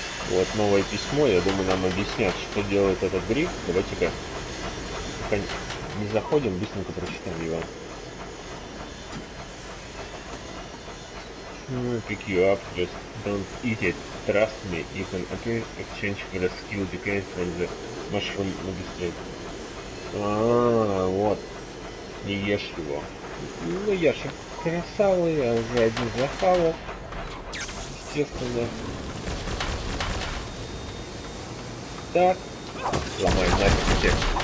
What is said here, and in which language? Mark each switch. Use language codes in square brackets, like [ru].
[ru] Вот новое письмо, я думаю, нам объяснят, что делает этот гриб. Давайте-ка не заходим, быстренько прочитаем его. [en] Pick you up, just don't eat it. Trust me, you can exchange for the skill decay from the mushroom magistrate. [ru] Вот. Не ешь его. Ну я же красава, я уже один захавал. Естественно. Так. Ломай нафиг всех.